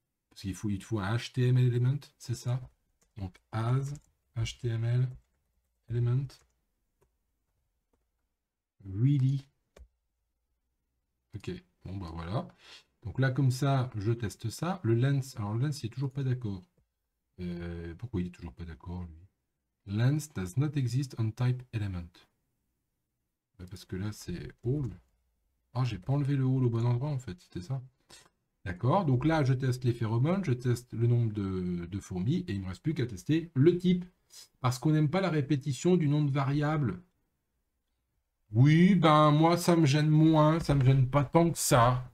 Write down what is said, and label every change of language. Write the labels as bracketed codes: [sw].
[fr] Parce qu'il faut, il te faut un HTML element, c'est ça? Donc, as HTML element. [en] Really? [fr] Ok, bon, bah voilà. Donc là, comme ça, je teste ça. Le length, alors le length, il n'est toujours pas d'accord. Pourquoi il n'est toujours pas d'accord, lui? [en] Length does not exist on type element. [fr] Bah parce que là, c'est all. Ah, j'ai pas enlevé le all au bon endroit, en fait, c'était ça. D'accord, donc là, je teste les phéromones, je teste le nombre de fourmis, et il ne me reste plus qu'à tester le type. Parce qu'on n'aime pas la répétition du nom de variable. Oui, ben moi ça me gêne moins, ça me gêne pas tant que ça.